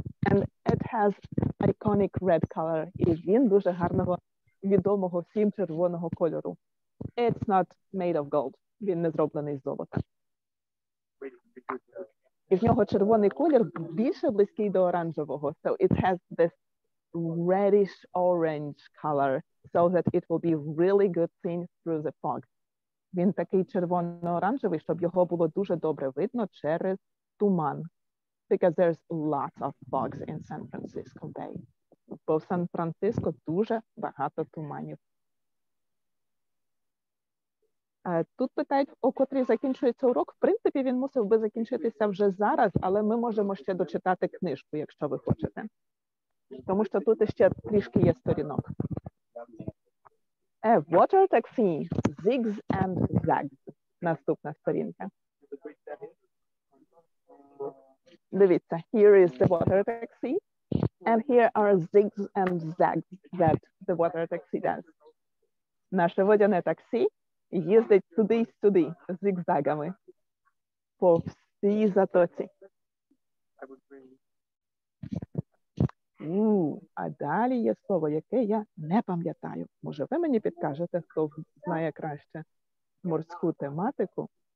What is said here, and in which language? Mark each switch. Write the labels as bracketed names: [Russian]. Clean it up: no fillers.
[English] And it has iconic red color. [Ukrainian] І він дуже гарного, відомого всім червоного кольору. [English] It's not made of gold. [Ukrainian] Він не зроблений з золота. І в нього червоний колір більше близький до оранжевого. [English] So it has this reddish-orange color so that it will be really good seen through the fog. [Ukrainian] Він такий червоно-оранжевий, щоб його було дуже добре видно через туман. [English] Because there's lots of fogs in San Francisco Bay. [Ukrainian] Бо в Сан-Франциско дуже багато туманів. Тут питають, о котрій закінчується урок. В принципі, він мусив би закінчитися вже зараз, але ми можемо ще дочитати книжку, якщо ви хочете. Тому що тут ще трішки є сторінок. [English] A water taxi, zigs and zags. [Ukrainian] Наступна сторінка. Дивіться, [English] here is the water taxi. And here are zigs and zags that the water taxi does. [Ukrainian] Наше водяне таксі їздить туди-сюди зигзагами по всій затоці. А далі є слово, яке я не пам'ятаю. Може, ви мені підкажете, хто знає краще морську тематику?